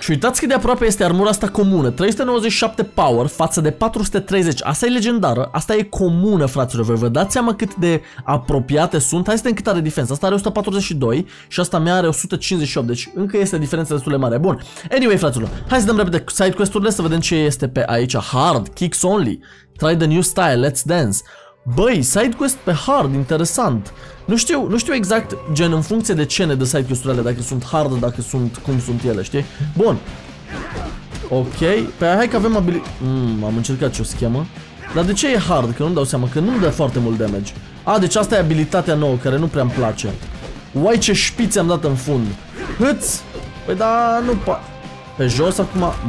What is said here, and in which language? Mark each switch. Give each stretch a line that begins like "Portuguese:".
Romanian: Și uitați cât de aproape este armura asta comună. 397 power față de 430. Asta e legendară, asta e comună, fraților. Voi vă dați seama cât de apropiate sunt. Hai să vedem cât are diferența. Asta are 142 și asta mea are 158. Deci încă este diferența destul de mare. Bun, anyway, fraților, hai să dăm repede side quest-urile să vedem ce este pe aici.
English: Hard, kicks only, try the new style, let's dance.
Romanian: Băi, side quest pe hard, interesant. Nu știu exact, gen, în funcție de ce ne dă side quest-urile alea, dacă sunt hard, dacă sunt, cum sunt ele, știi? Bun, ok, pe hai că avem abilitate. Am încercat ce o schemă. Dar de ce e hard? Că nu-mi dau seama, că nu-mi dă foarte mult damage. A, deci asta e abilitatea nouă, care nu prea-mi place. Uai, ce șpiță am dat în fund. Hâți! Păi da, nu pa... Pe jos acum...